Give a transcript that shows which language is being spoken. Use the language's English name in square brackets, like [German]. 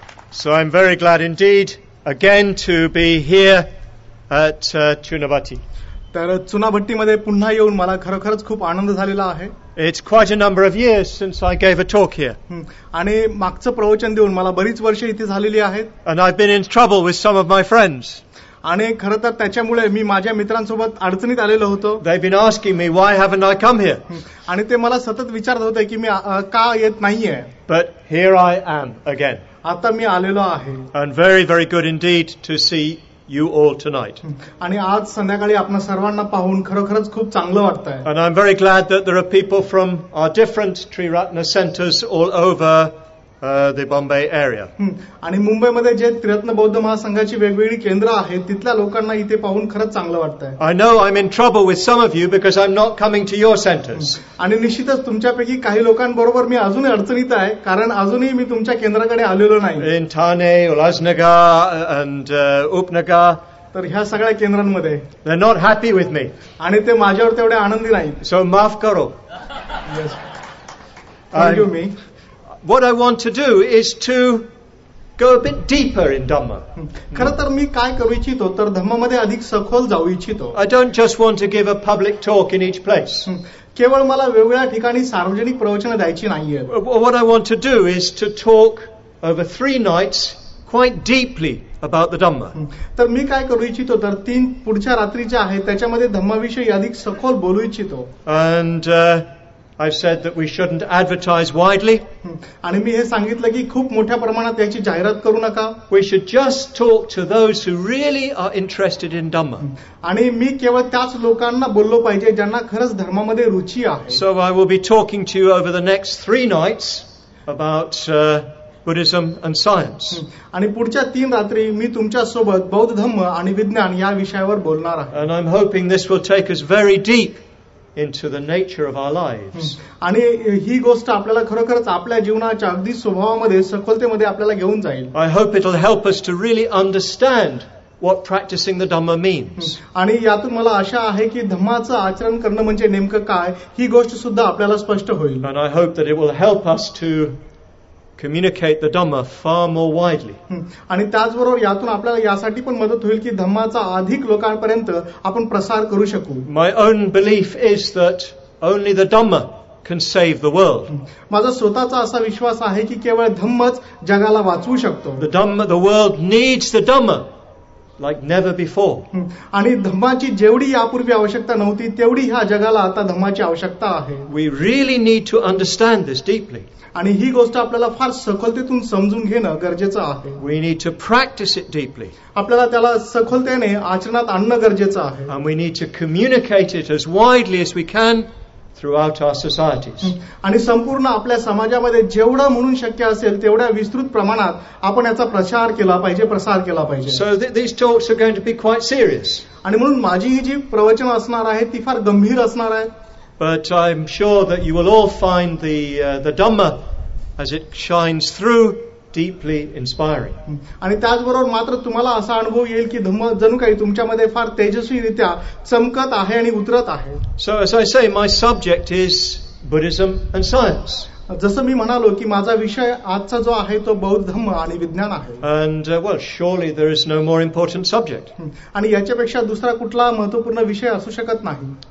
[English] So I'm very glad indeed again to be here at Chunavati. [Marathi] तर चुनाभट्टीमध्ये पुन्हा येऊन मला खरोखरच खूप आनंद झालेला आहे. [English] It's quite a number of years since I gave a talk here. [Marathi] आणि मागचं प्रवचन देऊन मला बरीच वर्ष इथे झालेली आहेत. [English] And I've been in trouble with some of my friends. [Marathi] आणि खरं तर त्याच्यामुळे मी माझ्या मित्रांसोबत अडचणीत आलेलो होतो. [English] They've been asking me why haven't I come here. [Marathi] आणि ते मला सतत विचारत होते की मी का येत नाहीये. [English] But here I am again. [Marathi] आता मी आलेलो आहे. [English] And very very good indeed to see you all tonight. [Marathi] आणि आज संध्याकाळी आपण सर्वांना पाहून खरोखरच खूप चांगलं वाटतंय. [English] And I'm very glad that there are people from our different Tri Ratna centers all over the Bombay area. [Marathi] आणि मुंबईमध्ये जे त्रिरत्न बौद्ध महासंघाची वेगवेगळी केंद्र आहेत तिथल्या लोकांना इथे पाहून खरच चांगलं वाटतंय. [English] I know I'm in trouble with some of you because I'm not coming to your centers. [Marathi] आणि निश्चितच तुमच्यापैकी काही लोकांबरोबर मी अजूनही अडचणीत आहे कारण अजूनही मी तुमच्या केंद्राकडे आलेलो नाही. [English] In Thane, Ulasnagar and Upnagar. [Marathi] तर ह्या सगळ्या केंद्रांमध्ये. [English] They're not happy with me. [Marathi] आणि ते माझ्यावर तेवढे आनंदी नाही. [English] So [Hindi] माफ करो. [English] Yes. Thank you me. What I want to do is to go a bit deeper in Dhamma. [Marathi] खरतर मी काय करू इच्छितो तर धम्मामध्ये अधिक सखोल जाऊ इच्छितो. [English] I don't just want to give a public talk in each place. [Marathi] केवळ मला वेगवेगळ्या ठिकाणी सार्वजनिक प्रवचन द्यायची नाहीये. [English] What I want to do is to talk over 3 nights quite deeply about the Dhamma. [Marathi] तर मी काय करू इच्छितो तर 3 पुढच्या रात्री ज्या आहेत त्याच्यामध्ये धम्माविषयी अधिक सखोल बोलू इच्छितो. [English] And I've said that we shouldn't advertise widely. [Marathi] आणि मी हे सांगितलं की खूप मोठ्या प्रमाणात त्याची जाहिरात करू नका. [English] We should just talk to those who really are interested in Dhamma. [Marathi] आणि मी केवळ त्याच लोकांना बोललो पाहिजे ज्यांना खरंच धर्मामध्ये रुची आहे. [English] So I will be talking to you over the next 3 nights about Buddhism and science. [Marathi] आणि पुढच्या 3 रात्री मी तुमच्या सोबत बौद्ध धम्म आणि विज्ञान या विषयावर बोलणार आहे. [English] And I'm hoping this will take us very deep into the nature of our lives. [Marathi] आणि ही गोष्ट आपल्याला खरोखरच आपल्या जीवनाच्या अगदी स्वभावामध्ये सखोलतेमध्ये आपल्याला घेऊन जाईल. [English] I hope it will help us to really understand what practicing the Dhamma means. [Marathi] आणि यातून मला आशा आहे की धम्माचं आचरण करणं म्हणजे नेमकं काय ही गोष्ट सुद्धा आपल्याला स्पष्ट होईल. [English] And I hope that it will help us to communicate the Dhamma far more widely. [Marathi] आणि त्याचबरोबर यातून आपल्याला यासाठी पण मदत होईल की धम्माचा अधिक लोकांपर्यंत आपण प्रसार करू शकू. [English] My own belief is that only the Dhamma can save the world. [Marathi] माझा स्वतःचा असा विश्वास आहे की केवळ धम्मच जगाला वाचवू शकतो. [English] The Dhamma, the world needs the Dhamma like never before. [Marathi] आणि धम्माची जेवढी यापूर्वी आवश्यकता नव्हती तेवढी ह्या जगाला आता धम्माची आवश्यकता आहे. [English] We really need to understand this deeply. [Marathi] आणि ही गोष्ट आपल्याला फार सखोलतेतून समजून घेणं गरजेचं आहे. [English] We need to practice it deeply. [Marathi] आपल्याला त्याला सखोलतेने आचरणात आणणं गरजेचं आहे. [English] And we need to communicate it as widely as we can throughout our societies. [Marathi] आणि संपूर्ण आपल्या समाजामध्ये जेवढं म्हणून शक्य असेल तेवढ्या विस्तृत प्रमाणात आपण याचा प्रचार केला पाहिजे प्रसार केला पाहिजे. [English] So these talks are going to be quite serious. [Marathi] आणि म्हणून माझी ही जी प्रवचन असणार आहे ती फार गंभीर असणार आहे. [English] But I'm sure that you will all find the Dhamma as it shines through deeply inspiring. [Marathi] आणि त्याचबरोबर मात्र तुम्हाला असा अनुभव येईल की धम्म जणू काही तुमच्यामध्ये फार तेजस्वीरित्या चमकत आहे आणि उतरत आहे. [English] So as I say, my subject is Buddhism and science. [Marathi] जसं मी म्हणालो की माझा विषय आजचा जो आहे तो बौद्ध धम्म आणि विज्ञान आहे. [English] And well, surely there is no more important subject. [Marathi] आणि याच्यापेक्षा दुसरा कुठला महत्त्वपूर्ण विषय असू शकत नाही.